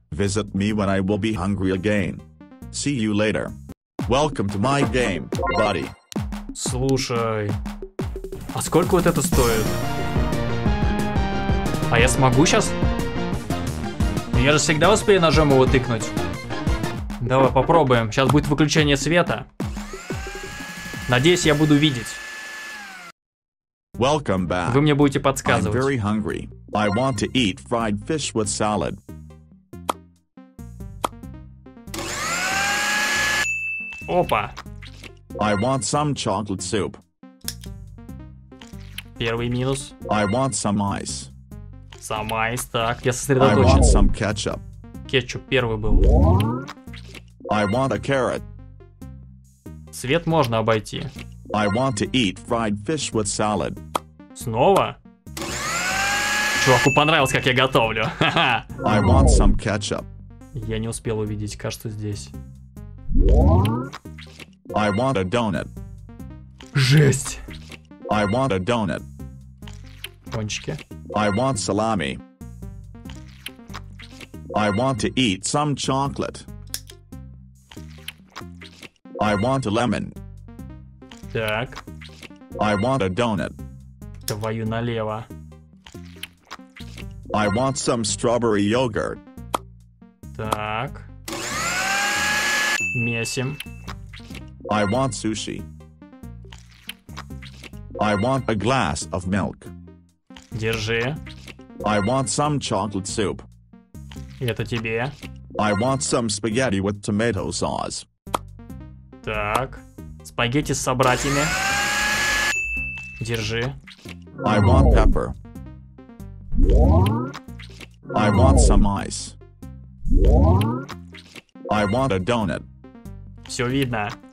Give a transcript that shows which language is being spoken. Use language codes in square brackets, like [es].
[en] Visit me when I will be hungry again. See you later. Welcome to my game, buddy. [ru] Слушай, а сколько вот это стоит? А я смогу сейчас? Я же всегда успею ножом его тыкнуть. Давай попробуем. Сейчас будет выключение света. Надеюсь, я буду видеть. [en] Welcome back. [ru] Вы мне будете подсказывать. [en] I'm very hungry. I want to eat fried fish with salad. [ru] Опа. [en] I want some chocolate soup. [ru] Первый минус. [en] I want some ice. Some ice, [ru] так, я сосредоточен. [en] I want some ketchup. [ru] Кетчуп первый был. [en] I want a carrot. [ru] Свет можно обойти. [en] I want to eat fried fish with salad. [ru] Снова? Чуваку понравилось, как я готовлю. [en] I want some ketchup. [ru] Я не успел увидеть, кажется, здесь. [en] I want a donut. [ru] Жесть. [en] I want a donut. [ru] Пончики. [en] I want salami. I want to eat some chocolate. I want a lemon. [ru] Так. [en] I want a donut. [ru] Твою налево. [en] I want some strawberry yogurt. [ru] Так. Месим. [en] I want sushi. I want a glass of milk. [ru] Держи. [en] I want some chocolate soup. [ru] Это тебе. [en] I want some spaghetti with tomato sauce. [ru] Так, спагетти с собратьями. Держи. [en] I want pepper. I want some ice. I want a donut. [ru] Все видно.